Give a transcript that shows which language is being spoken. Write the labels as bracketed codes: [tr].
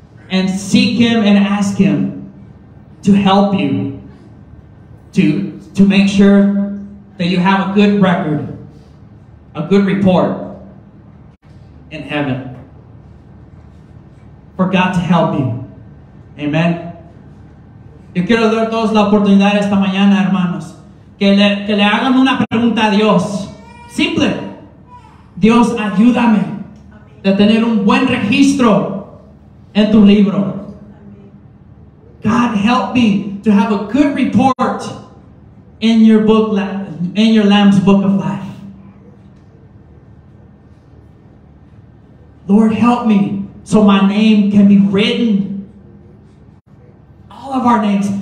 [en] And seek Him and ask Him to help you. To make sure that you have a good record, a good report in heaven. For God to help you. Amen. [es] Yo quiero dar a todos la oportunidad esta mañana, hermanos. Que le hagan una pregunta a Dios. Simple. Dios, ayúdame de tener un buen registro en tu libro. [en] God, help me to have a good report in your book, in your Lamb's book of life. Lord, help me so my name can be written. All of our names.